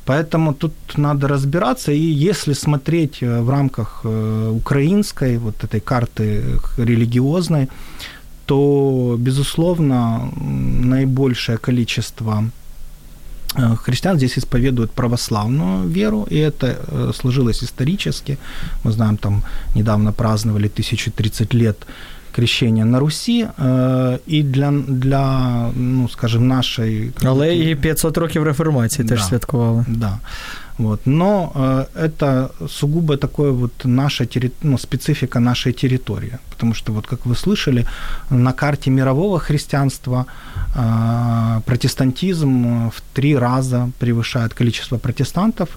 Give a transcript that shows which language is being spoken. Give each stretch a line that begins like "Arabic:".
Russian: Поэтому тут надо разбираться, и если смотреть в рамках украинской вот этой карты религиозной, то, безусловно, наибольшее количество христиан здесь исповедуют православную веру, и это сложилось исторически. Мы знаем, там недавно праздновали 1030 лет крещения на Руси, и для ну, скажем, нашей...
Ukrainian: Але и 500 років реформации теж святкували.
Russian: Да. Вот. Но это сугубо такое вот наша специфика нашей территории. Потому что, вот как вы слышали, на карте мирового христианства протестантизм в три раза превышает количество протестантов.